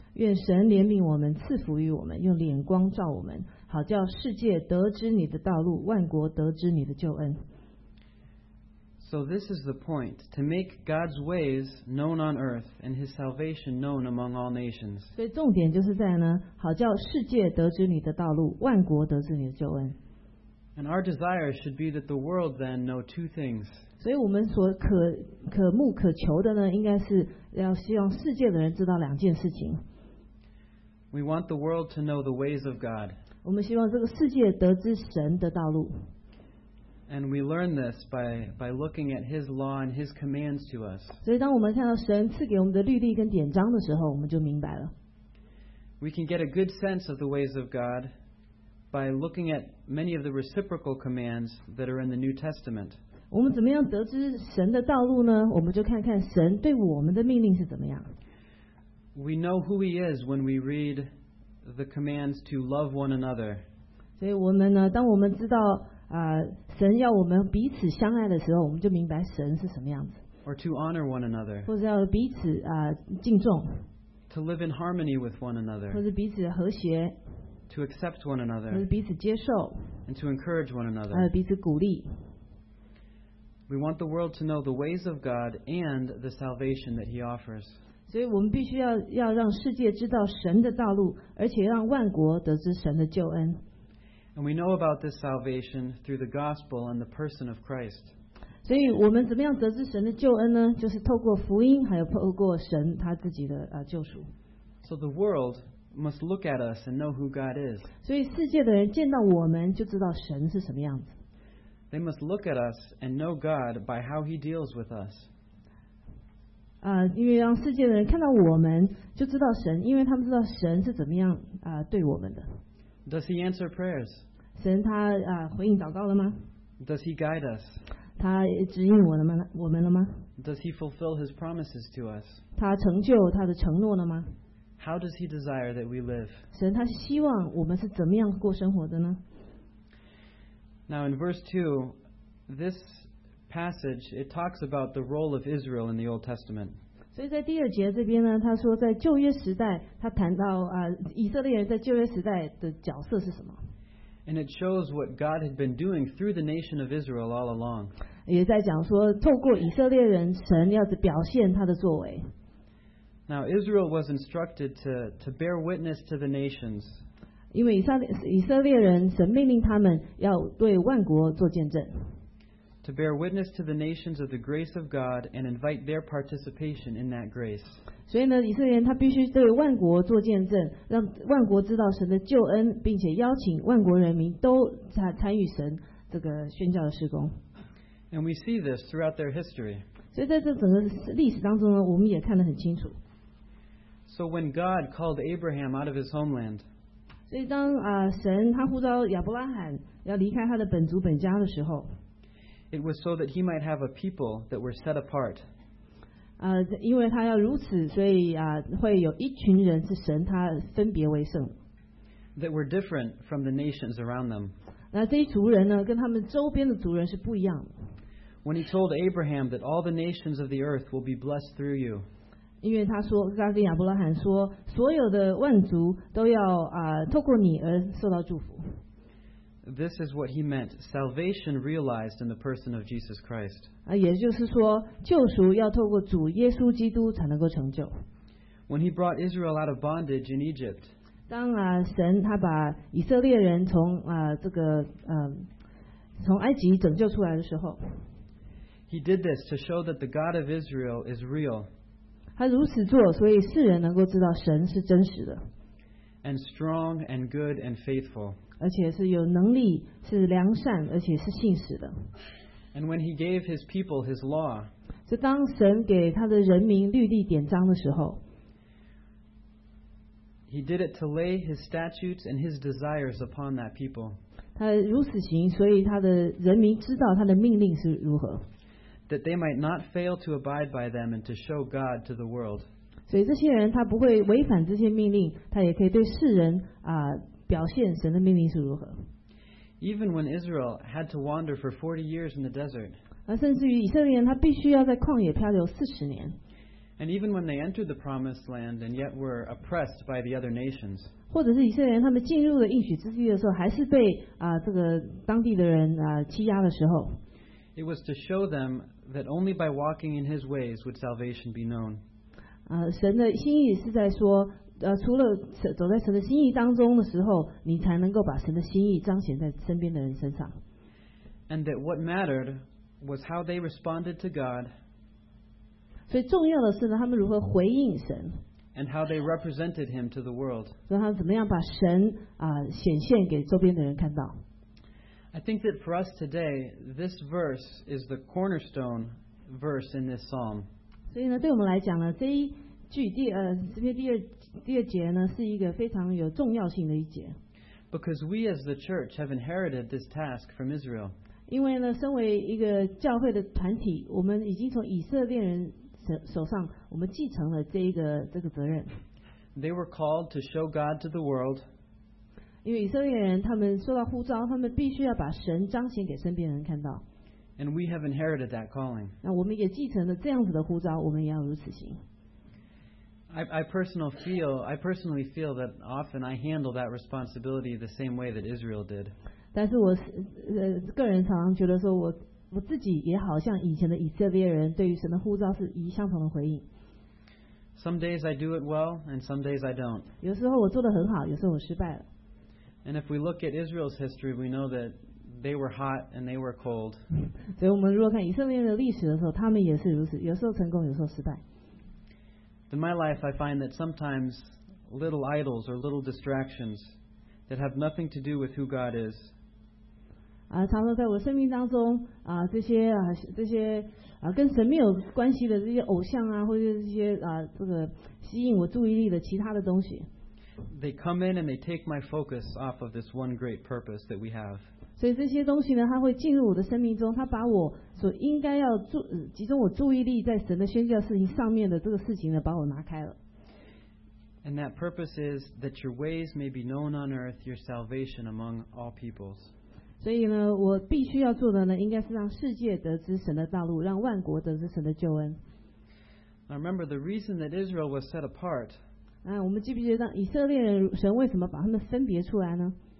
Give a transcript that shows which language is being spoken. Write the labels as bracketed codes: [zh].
[zh] 愿神怜悯我们，赐福于我们，用脸光照我们，好叫世界得知你的道路，万国得知你的救恩。 [en] So this is the point, to make God's ways known on earth and His salvation known among all nations. [zh] 所以重点就是在呢，好叫世界得知你的道路，万国得知你的救恩。 [en] And our desire should be that the world then know two things. [zh] 所以我们所可求的呢，应该是要希望世界的人知道两件事情。 [en] We want the world to know the ways of God. [zh] 我们希望这个世界得知神的道路。 [en] And we learn this by looking at His law and His commands to us. [zh] 所以当我们看到神赐给我们的律例跟典章的时候，我们就明白了。 [en] We can get a good sense of the ways of God by looking at many of the reciprocal commands that are in the New Testament. [zh] 我们怎么样得知神的道路呢？我们就看看神对我们的命令是怎么样。 [en] We know who He is when we read the commands to love one another. [zh] 所以我们呢，当我们知道神要我们彼此相爱的时候，我们就明白神是什么样子。 [en] Or to honor one another. [zh] 或者要彼此敬重。 [en] To live in harmony with one another. [zh] 或者彼此和谐。 [en] To accept one another. [zh] 或者彼此接受。 [en] And to encourage one another. [zh] 彼此鼓励。 [en] We want the world to know the ways of God and the salvation that He offers. [zh] 所以我们必须 要让世界知道神的道路，而且让万国得知神的救恩。 [en] And we know about this salvation through the gospel and the person of Christ. [zh] 所以我们怎么样得知神的救恩呢？就是透过福音，还有透过神他自己的救赎。 [en] So the world must look at us and know who God is. [zh] 所以世界的人见到我们就知道神是什么样子。 [en] They must look at us and know God by how He deals with us. [zh] 因为让世界的人看到我们就知道神，因为他们知道神是怎么样对我们的。 [en] Does He answer prayers? [zh] 神他回应祷告了吗？ [en] Does He guide us? [zh] 他指引我们了吗？ [en] Does He fulfill His promises to us? [zh] 他成就他的承诺了吗？ [en] How does He desire that we live? [zh] 神他希望我们是怎么样过生活的呢？ [en] Now in verse 2, this passage, it talks about the role of Israel in the Old Testament. [zh] 所以在第二节这边呢，他说在旧约时代，他谈到以色列人在旧约时代的角色是什么。 [en] And it shows what God had been doing through the nation of Israel all along. [zh] 也在讲说透过以色列人，神要表现他的作为。 [en] Now Israel was instructed to bear witness to the nations. [zh] 因为以色列人，神命令他们要对万国做见证。 [en] To bear witness to the nations of the grace of God and invite their participation in that grace. [zh] 所以呢，以色列人他必须对万国做见证，让万国知道神的救恩，并且邀请万国人民都参与神这个宣教的事工。 [en] And we see this throughout their history. [zh] 所以在这整个历史当中呢，我们也看得很清楚。 [en] So when God called Abraham out of his homeland. [zh] 所以当神他呼召亚伯拉罕要离开他的本族本家的时候。 [en] It was so that he might have a people that were set apart. [zh] 因为他要如此，所以会有一群人是神他分别为圣。 [en] That were different from the nations around them. [zh] 那这一族人呢，跟他们周边的族人是不一样的。 [en] When he told Abraham that all the nations of the earth will be blessed through you. [zh] 因为他说，他跟亚伯拉罕说，所有的万族都要透过你而受到祝福。 [en] This is what he meant, salvation realized in the person of Jesus Christ. [zh] 也就是说，救赎要透过主耶稣基督才能够成就。 [en] When he brought Israel out of bondage in Egypt. [zh] 当神他把以色列人从这个从埃及拯救出来的时候。 [en] He did this to show that the God of Israel is real. [zh] 他如此做，所以世人能够知道神是真实的。 [en] And strong and good and faithful. [zh] 而且是有能力，是良善，而且是信实的。 [en] And when he gave his people his law. [zh] 所以当神给他的人民律例典章的时候。 [en] He did it to lay his statutes and his desires upon that people. [zh] 他如此行，所以他的人民知道他的命令是如何。 [en] That they might not fail to abide by them and to show God to the world. [zh] 所以这些人他不会违反这些命令，他也可以对世人表现神的命令是如何。 [en] Even when Israel had to wander for 40 years in the desert. [zh] 甚至于以色列人他必须要在旷野漂流40年。 [en] And even when they entered the promised land and yet were oppressed by the other nations. [zh] 或者是以色列人他们进入了应许之地的时候，还是被这个当地的人欺压的时候。 [en] It was to show them that only by walking in his ways would salvation be known. [zh] 神的心意是在说除了走在神的心意当中的时候，你才能够把神的心意彰显在身边的人身上。 [en] And that what mattered was how they responded to God. [zh] 所以重要的是呢，他们如何回应神。 [en] And how they represented him to the world. [zh] 所以他们怎么样把神显现给周边的人看到。 [en] I think that for us today, this verse is the cornerstone verse in this psalm. [zh] 所以呢，对我们来讲呢，这一句诗篇第二节呢，是一个非常有重要性的一节。 [en] Because we as the church have inherited this task from Israel. [zh] 因为呢，身为一个教会的团体，我们已经从以色列人手上，我们继承了这个责任。 [en] They were called to show God to the world. [zh] 因为以色列人他们受到呼召，他们必须要把神彰显给身边人看到。 [en] And we have inherited that calling. [zh] 那我们也继承了这样子的呼召，我们也要如此行。 [en] I personally feel that often I handle that responsibility the same way that Israel did. [zh] 但是我个人常常觉得说我自己也好像以前的以色列人对于神的呼召是以相同的回应。 [en] Some days I do it well, and some days I don't. [zh] 有时候我做得很好，有时候我失败了。 [en] And if we look at Israel's history, we know that they were hot and they were cold. [zh] 所以我们如果看以色列的历史的时候，他们也是如此，有时候成功，有时候失败。 [en] In my life, I find that sometimes little idols or little distractions that have nothing to do with who God is. [zh] 常常在我生命当中这些跟神没有关系的这些偶像啊，或者这些这个吸引我注意力的其他的东西。 [en] They come in and they take my focus off of this one great purpose that we have. [zh] 所以这些东西呢，它会进入我的生命中，它把我所应该要集中我注意力在神的宣教事情上面的这个事情呢，把我拿开了。 [en] And that purpose is that your ways may be known on earth, your salvation among all peoples. [zh] 所以呢，我必须要做的呢，应该是让世界得知神的道路，让万国得知神的救恩。 [en] Now remember the reason that Israel was set apart. [zh] 我们记不记得以色列人神为什么把他们分别出来呢？